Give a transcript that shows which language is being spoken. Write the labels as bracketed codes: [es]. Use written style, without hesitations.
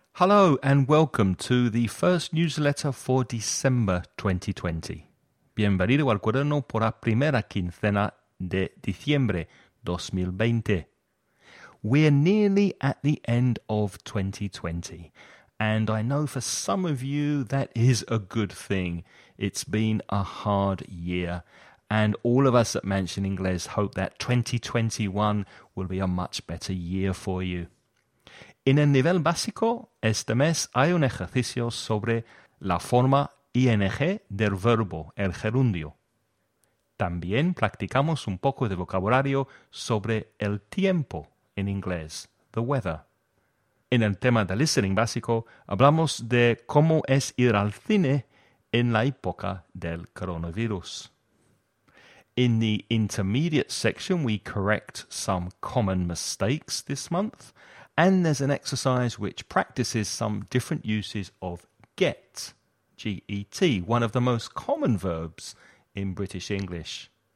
[en] Hello and welcome to the first newsletter for December 2020. [es] Bienvenido al cuaderno por la primera quincena de diciembre 2020. [en] We're nearly at the end of 2020, and I know for some of you that is a good thing. It's been a hard year, and all of us at Mansion Inglés hope that 2021 will be a much better year for you. [es] En el nivel básico, este mes hay un ejercicio sobre la forma ING del verbo, el gerundio. También practicamos un poco de vocabulario sobre el tiempo en inglés, [en] the weather. [es] En el tema de listening básico, hablamos de cómo es ir al cine en la época del coronavirus. [en] In the intermediate section, we correct some common mistakes this month. And there's an exercise which practices some different uses of get, G-E-T, one of the most common verbs in British English.